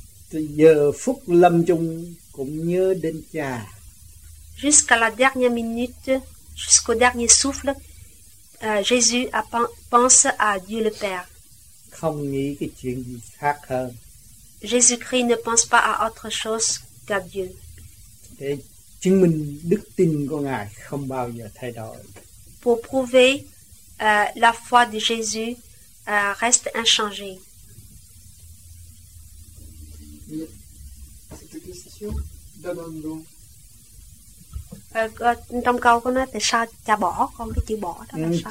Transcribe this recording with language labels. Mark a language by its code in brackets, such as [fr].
[vi] Giờ phút lâm chung cũng nhớ đến cha. [fr] Jusqu'à la dernière minute, jusqu'au dernier souffle, Jésus pense à Dieu le Père. [vi] Không nghĩ cái chuyện gì khác hơn. [fr] Jésus-Christ ne pense pas à autre chose qu'à Dieu. [vi] Để chứng minh đức tin của Ngài không bao giờ thay đổi. [fr] Pour prouver la foi de Jésus reste inchangée. Cette question d'abandon. [vi] Trong câu có nói tại sao cha bỏ con, cái chữ bỏ đó là sao?